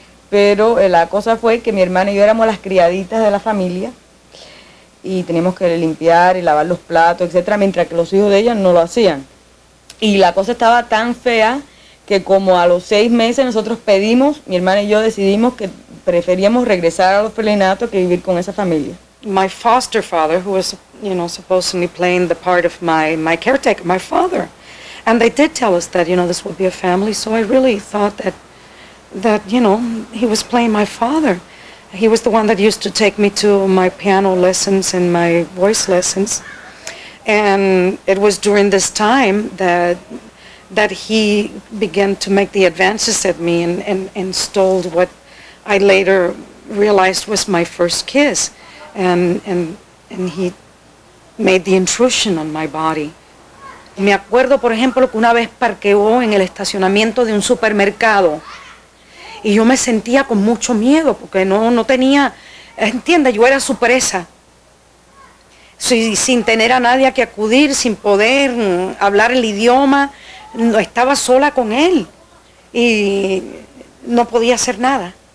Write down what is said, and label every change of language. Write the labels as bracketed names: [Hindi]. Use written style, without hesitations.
[Spanish] Pero la cosa fue que mi hermana y yo éramos las criaditas de la familia y teníamos que limpiar y lavar los platos, etcétera, mientras que los hijos de ella no lo hacían. Y la cosa estaba tan fea que como a los 6 meses nosotros pedimos, mi hermana y yo decidimos que preferíamos regresar al orfanato que vivir con esa familia. [English] My foster father, who was, you know, supposedly playing the part of my caretaker, my father, and they did tell us that, you know, this would be a family, so I really thought that, you know, he was playing my father. He was the one that used to take me to my piano lessons and my voice lessons, and it was during this time that he began to make the advances at me and stole what I later realized was my first kiss. And he made the intrusion on my body. [Spanish] Me acuerdo, por ejemplo, que una vez parqueó en el estacionamiento de un supermercado y yo me sentía con mucho miedo porque no tenía, entiende, yo era su presa. Sin tener a nadie a que acudir, sin poder hablar el idioma, estaba sola con él y no podía hacer nada.